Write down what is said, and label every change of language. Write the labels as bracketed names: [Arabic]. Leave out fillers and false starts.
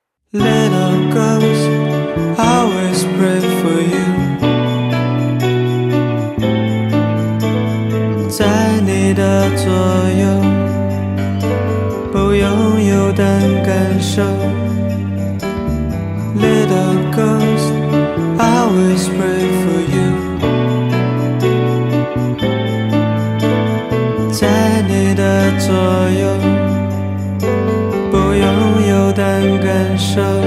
[English] Little ghost, I always pray for you. [Chinese] 在你的左右， 不拥有的感受。 [English] Little ghost, I always pray for you. [Chinese] 在你的左右， 不拥有的感受。